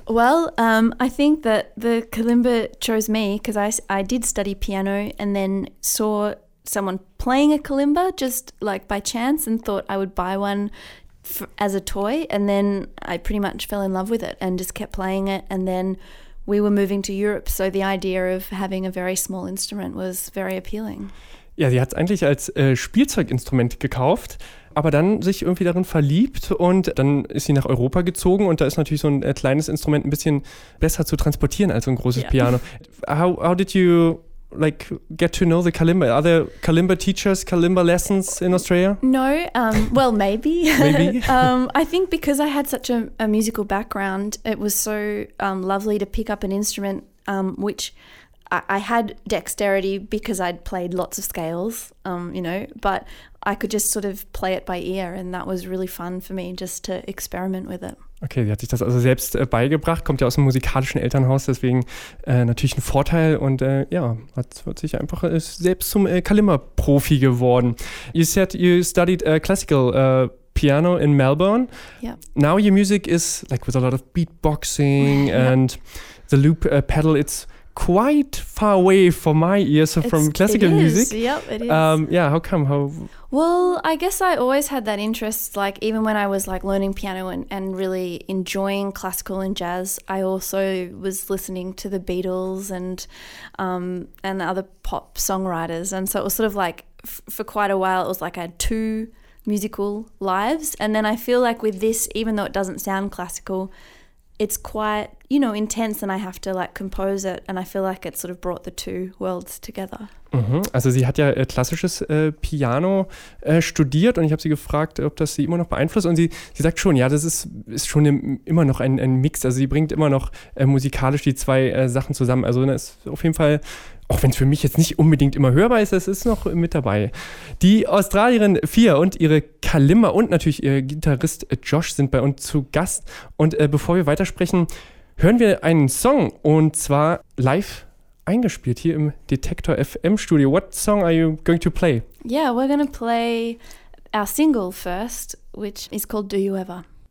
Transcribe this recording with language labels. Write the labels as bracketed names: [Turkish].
[English] Well, I think that the kalimba chose me because I did study piano and then saw someone playing a kalimba just like by chance and thought I would buy one as a toy. And then I pretty much fell in love with it and just kept playing it. And then we were moving to Europe, so the idea of having a very small instrument was very appealing. [German] Ja, sie hat es eigentlich als Spielzeuginstrument gekauft, aber dann sich irgendwie darin verliebt und dann ist sie nach Europa gezogen und da ist natürlich so ein kleines Instrument ein bisschen besser zu transportieren als so ein großes Piano. [English] How did you like get to know the kalimba? Are there kalimba teachers, kalimba lessons in Australia? No, well, maybe. Maybe. I think because I had such a musical background, it was so lovely to pick up an instrument which I had dexterity because I'd played lots of scales, you know, but I could just sort of play it by ear and that was really fun for me, just to experiment with it. [German] Okay, sie hat sich das also selbst beigebracht, kommt ja aus einem musikalischen Elternhaus, deswegen natürlich ein Vorteil und hat sich einfach selbst zum Kalimba-Profi geworden. [English] You said you studied classical piano in Melbourne. Yeah. Now your music is like with a lot of beatboxing and the loop pedal, it's quite far away from my ears from classical music. Yep, it is. How come? Well, I guess I always had that interest, like even when I was like learning piano and really enjoying classical and jazz, I also was listening to the Beatles and the other pop songwriters. And so it was sort of like for quite a while, it was like I had two musical lives. And then I feel like with this, even though it doesn't sound classical, it's quite, you know, intense and I have to like compose it and I feel like it sort of brought the two worlds together. Mhm. [German] Also sie hat ja klassisches Piano studiert und ich habe sie gefragt, ob das sie immer noch beeinflusst und sie sagt schon, ja, das ist schon immer noch ein Mix, also sie bringt immer noch musikalisch die zwei Sachen zusammen, also das ist auf jeden Fall, auch wenn es für mich jetzt nicht unbedingt immer hörbar ist, es ist noch mit dabei. Die Australierin Fia und ihre Kalimba und natürlich ihr Gitarrist Josh sind bei uns zu Gast. Und bevor wir weitersprechen, hören wir einen Song und zwar live eingespielt hier im Detektor FM Studio. [English] What song are you going to play? Yeah, we're going to play our single first, which is called Do You Ever.